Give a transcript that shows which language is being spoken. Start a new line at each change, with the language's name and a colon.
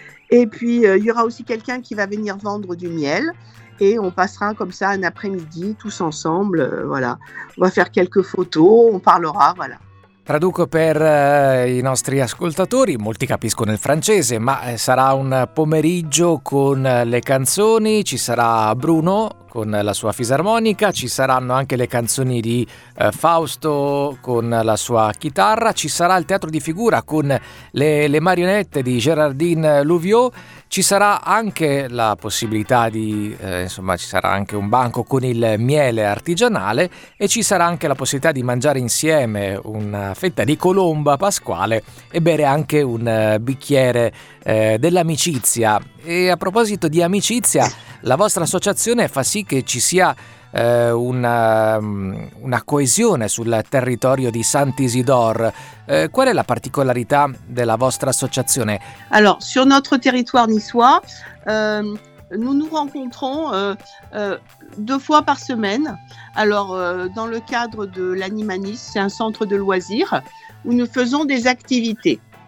French: Et puis il y aura aussi quelqu'un qui va venir vendre du miel et on passera comme ça un après-midi tous ensemble, voilà. On va faire quelques photos, on parlera, voilà.
Italian: Traduco per i nostri ascoltatori, molti capiscono il francese, ma sarà un pomeriggio con le canzoni, ci sarà Bruno con la sua fisarmonica, ci saranno anche le canzoni di Fausto con la sua chitarra, ci sarà il teatro di figura con le marionette di Gérardine Louviot, ci sarà anche la possibilità di, insomma, ci sarà anche un banco con il miele artigianale e ci sarà anche la possibilità di mangiare insieme una fetta di colomba pasquale e bere anche un bicchiere dell'amicizia. E a proposito di amicizia, la vostra associazione fa sì che ci sia una coesione sul territorio di Sant'Isidore. Qual è la particolarità della vostra associazione?
French: Alors, sur notre territoire niçois, nous nous rencontrons deux fois par semaine. Alors, dans le cadre de l'Anima Nice, c'est un centre de loisirs où nous faisons des activités.